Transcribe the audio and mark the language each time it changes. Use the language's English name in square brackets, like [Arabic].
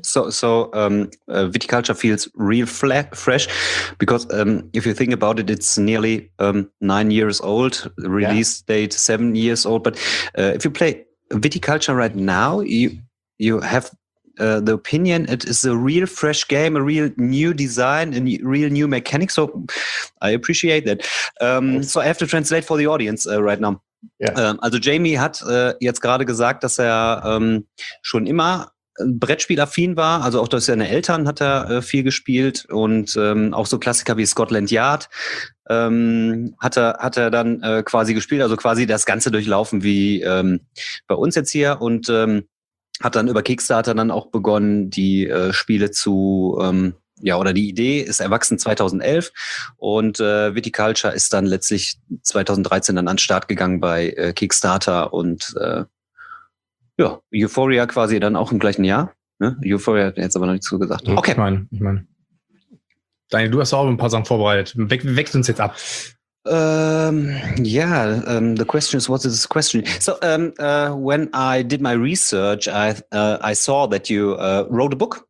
[English] So Viticulture feels real fresh because if you think about it, it's nearly 9 years old, release date 7 years old. But if you play Viticulture right now, you have the opinion it is a real fresh game, a real new design, a real new mechanic. So I appreciate that. So I have to translate for the audience right now. [German] Also Jamie hat jetzt gerade gesagt, dass er schon immer brettspielaffin war. Also auch durch seine Eltern hat er viel gespielt und auch so Klassiker wie Scotland Yard hat er dann quasi gespielt. Also quasi das Ganze durchlaufen wie bei uns jetzt hier. Und hat dann über Kickstarter dann auch begonnen, die Spiele zu, oder die Idee ist erwachsen 2011 und Viticulture ist dann letztlich 2013 dann an den Start gegangen bei Kickstarter und Euphoria quasi dann auch im gleichen Jahr. Ne? Euphoria hat jetzt aber noch nichts so gesagt. Okay. Ich meine, Daniel, du hast auch ein paar Sachen vorbereitet. Wechsel uns jetzt ab. [English] The question is, what is this question? So, when I did my research, I saw that you wrote a book.